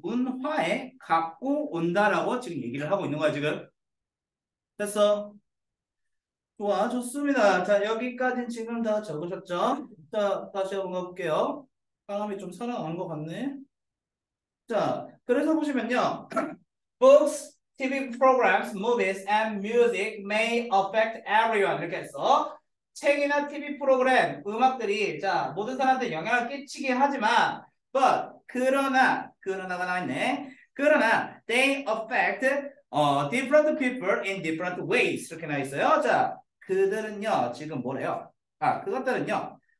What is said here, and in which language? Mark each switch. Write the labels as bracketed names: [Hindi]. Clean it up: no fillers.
[Korean] 문화에 갖고 온다라고 지금 얘기를 하고 있는 거야, 지금. 됐어? 좋아, 좋습니다. 자, 여기까지 지금 다 적으셨죠? 자, 다시 한번 가볼게요. 사람이 좀 살아난 것 같네. 자, 그래서 보시면요. [English] Books, TV programs, movies, and music may affect everyone. [Korean] 이렇게 했어. 책이나 TV 프로그램, 음악들이 자, 모든 사람들 영향을 끼치게 하지만 But, 그러나가 나왔네. 그러나, [English] they affect different people in different ways. [Korean] 이렇게 나와 있어요. 자, 그들은요, 지금 뭐래요? 그것들은요,